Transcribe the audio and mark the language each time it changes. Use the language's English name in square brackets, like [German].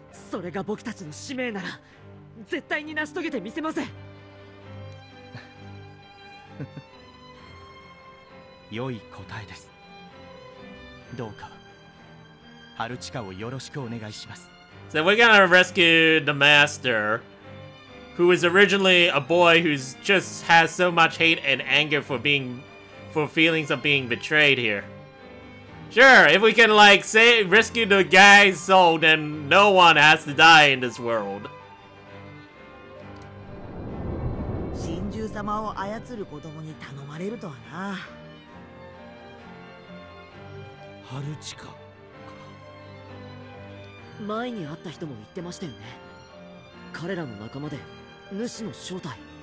[Japanese] それが僕たちの使命なら、絶対に成し遂げてみせます。良い答えです。どうか、ハルチカをよろしくお願いします。 [English] So we're gonna rescue the master, who is originally a boy who's just has so much hate and anger for being, for feelings of being betrayed here. Sure, if we can like say rescue the guy's soul, then no one has to die in this world. [Japanese] 神獣様を操る子供に頼まれるとはな。ハルチカ前に会った人も言ってましたよね。彼らの仲間で主の正体。